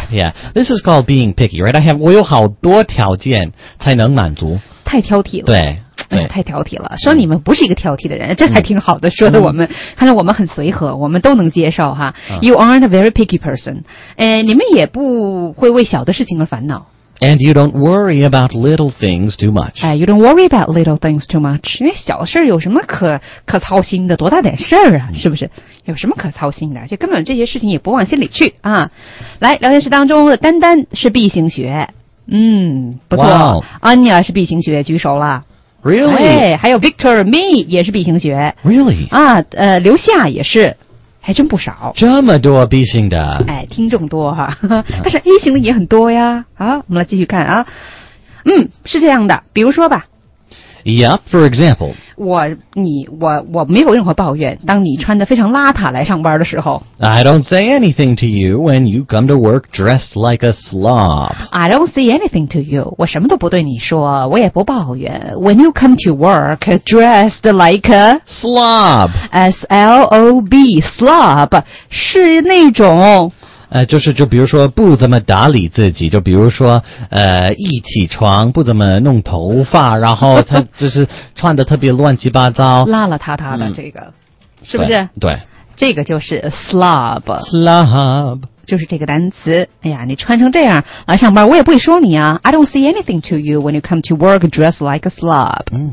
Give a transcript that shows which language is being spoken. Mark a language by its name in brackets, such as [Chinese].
[English] Yeah, this is called being picky, right? I [Chinese] 有好多条件才能满足。太挑剔了。对。太挑剔了，说你们不是一个挑剔的人，这还挺好的，说的我们看来我们很随和，我们都能接受哈。 [English] You aren't a very picky person. [Chinese] 你们也不会为小的事情而烦恼。 [English] And you don't worry about little things too much. You don't worry about little things too much. [Chinese] 那小事有什么可操心的？多大点事儿啊，是不是？有什么可操心的？就根本这些事情也不往心里去啊。来，聊天室当中的丹丹是 B 型血，不错。 [English] Wow. [Chinese] Anya 是 B 型血，举手了。 [English] Really? [Chinese] 哎，还有 Victor Me 也是 B 型血。 [English] Really? [Chinese] 啊，刘夏也是。还真不少，这么多 B 型的，哎，听众多哈、啊，但是 A 型的也很多呀。好，我们来继续看啊，是这样的，比如说吧 [English] ，Yep, for example， [Chinese] 我没有任何抱怨。当你穿得非常邋遢来上班的时候 [English] ，I don't say anything to you when you come to work dressed like a slob. I don't say anything to you， [Chinese] 我什么都不对你说，我也不抱怨。 [English] When you come to work dressed like a slob， [Chinese] S L O B， slob 是那种。就是就比如说不怎么打理自己，就比如说一起床不怎么弄头发，然后他就是穿得特别乱七八糟，邋邋遢遢的，这个是不是？对，这个就是 slob， [English] slob [Chinese] 就是这个单词。哎呀，你穿成这样来上班，我也不会说你啊。 [English] I don't say anything to you when you come to work dressed like a slob.